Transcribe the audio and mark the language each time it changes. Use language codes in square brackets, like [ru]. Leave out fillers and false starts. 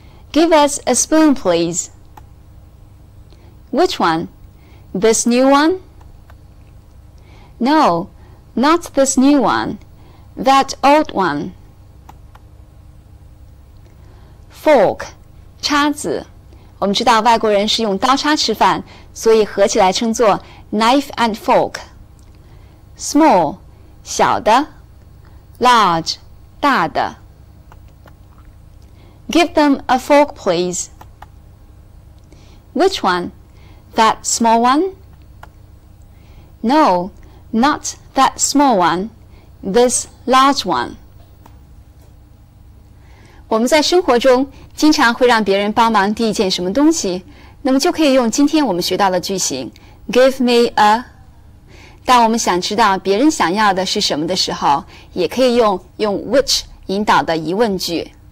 [en] Give us a spoon, please. Which one? This new one? No, not this new one, that old one. Fork, 叉子。 [zh] 我们知道外国人是用刀叉吃饭，所以合起来称作 knife and fork. [en] Small, 小的。Large, 大的。 Give them a fork, please. Which one? That small one? No. Not that small one, this large one. [zh] 我们在生活中经常会让别人帮忙递一件什么东西，那么就可以用今天我们学到的句型 give me a. 当我们想知道别人想要的是什么的时候，也可以用 which 引导的疑问句。